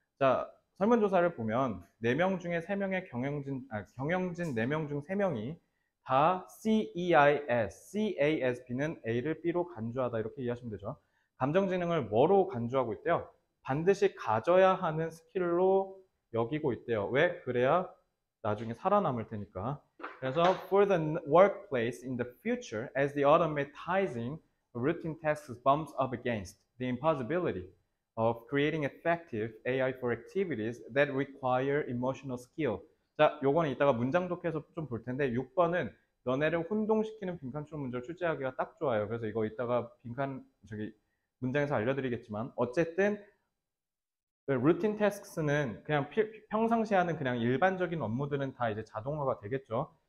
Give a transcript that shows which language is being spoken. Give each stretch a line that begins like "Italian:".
Korean: 자, 설문조사를 보면 4명 중에 3명의 경영진 4명 중 3명이 다 CAS, B는 A를 B로 간주하다 이렇게 이해하시면 되죠. 감정지능을 뭐로 간주하고 있대요? 반드시 가져야 하는 스킬로 여기고 있대요. 왜? 그래야 나중에 살아남을 테니까.
English: 그래서 for the workplace in the future, as the automatizing routine tasks bumps up against the impossibility of creating effective AI for activities that require emotional skill.
Korean: 자, 요거는 이따가 문장 독해서 좀볼 텐데, 6번은 너네를 혼동시키는 빈칸출 문제를 출제하기가 딱 좋아요. 그래서 이거 이따가 빈칸, 저기, 문장에서 알려드리겠지만, 어쨌든, 루틴 태스크스는 그냥 평상시 하는 그냥 일반적인 업무들은 다 이제 자동화가 되겠죠.